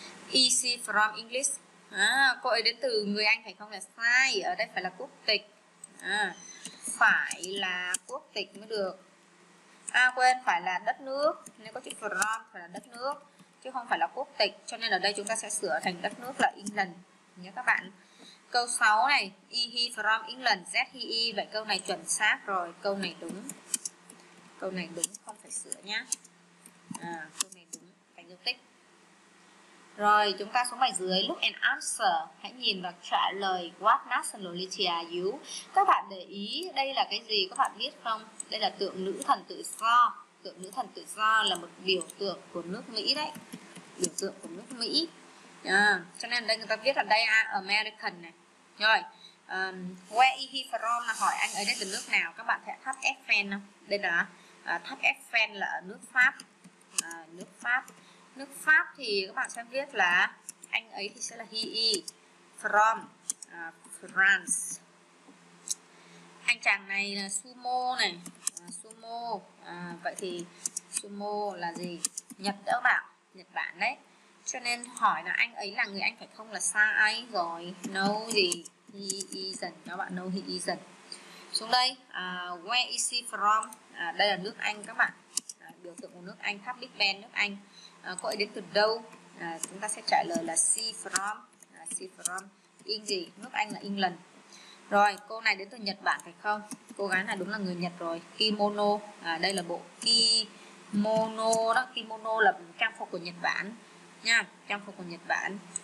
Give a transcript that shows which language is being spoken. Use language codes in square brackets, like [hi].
[en] Is she from English? [vi] Cô ấy đến từ người Anh phải không? Là sai, ở đây phải là quốc tịch. Phải là quốc tịch mới được. Quên, phải là đất nước. Nếu có chữ from phải là đất nước chứ không phải là quốc tịch. Cho nên ở đây chúng ta sẽ sửa thành đất nước là England nhớ các bạn. Câu 6 này, [en] is he from England? Yes he is. [vi] Vậy câu này chuẩn xác rồi, câu này đúng, không phải sửa nhá. Câu này đúng, phải dấu tích. Rồi chúng ta xuống bài dưới, [en] look and answer, [vi] hãy nhìn và trả lời. [en] What nationality are you? [vi] Các bạn để ý đây là cái gì, các bạn biết không? Đây là tượng nữ thần tự do. Tượng nữ thần tự do là một biểu tượng của nước Mỹ đấy. Biểu tượng của nước Mỹ. Cho nên đây người ta viết là đây American này. Rồi [en] Where is he from [vi] là hỏi anh ấy đến từ nước nào. Các bạn thấy tháp Eiffel không? Đây là tháp Eiffel là ở nước Pháp. Nước Pháp. Nước Pháp thì các bạn sẽ viết là anh ấy thì sẽ là [en] he is from France. [vi] Anh chàng này là sumo này. Sumo. Vậy thì sumo là gì? Nhật đó các bạn. Nhật Bản đấy. Cho nên hỏi là anh ấy là người Anh phải không, là sai rồi. [en] No gì? He isn't. [vi] Các bạn [en] know he isn't. [vi] Xuống đây, [en] where is he from? [vi] Đây là nước Anh các bạn. Biểu tượng của nước Anh, tháp Big Ben nước Anh. Cô ấy đến từ đâu? Chúng ta sẽ trả lời là [en] see from. [vi] See from in gì? Nước Anh là England. Rồi, cô này đến từ Nhật Bản phải không? Cô gái này đúng là người Nhật rồi. Kimono. Đây là bộ kimono đó. Kimono là trang phục của Nhật Bản nha, trang phục của Nhật Bản.